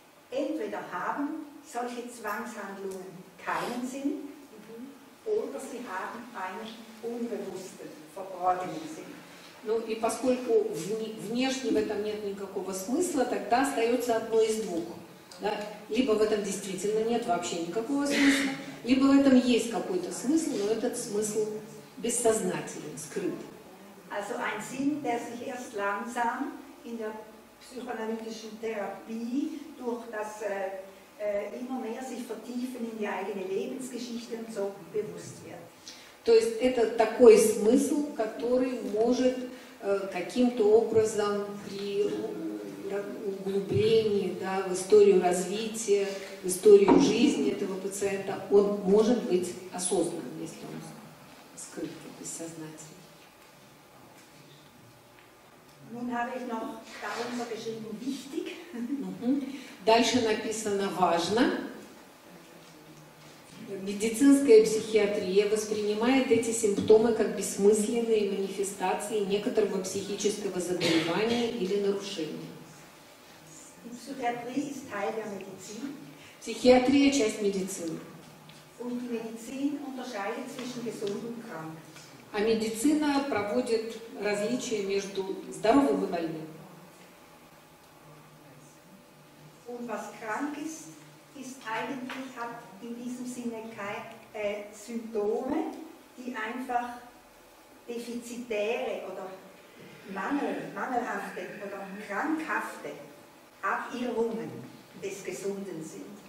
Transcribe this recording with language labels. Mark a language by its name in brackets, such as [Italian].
[German] Entweder haben solche Zwangshandlungen keinen Sinn, oder sie haben einen unbewussten, verborgenen Sinn. [Russian] Ну и поскольку внешне в этом нет никакого смысла, тогда остается одно из двух. Да? Либо в этом действительно нет вообще никакого смысла, либо в этом есть какой-то смысл, но этот смысл бессознателен, скрыт. [German] Also ein Sinn, der sich erst langsam in der psychoanalytischen Therapie durch das immer mehr sich vertiefen in die eigene Lebensgeschichte und so bewusst wird. [Russian] То есть это такой смысл, который может каким-то образом при углублении да, в историю развития, в историю жизни этого пациента, он может быть осознанным, если он скрыт, бессознательно. [German] Nun habe ich noch darunter geschrieben, wichtig. [Russian] Дальше написано важно. Медицинская психиатрия воспринимает эти симптомы как бессмысленные манифестации некоторого психического заболевания или нарушения. [German] Psychiatrie ist Teil der Medizin. [Russian] Психиатрия – часть медицины. [German] Und die Medizin unterscheidet zwischen gesund und krank. [Russian] А медицина проводит различия между здоровым и больным. [German] Und was krank ist, ist eigentlich hat in diesem Sinne keine Symptome, die einfach defizitäre oder mangelhafte oder krankhafte Abirrungen des Gesunden sind.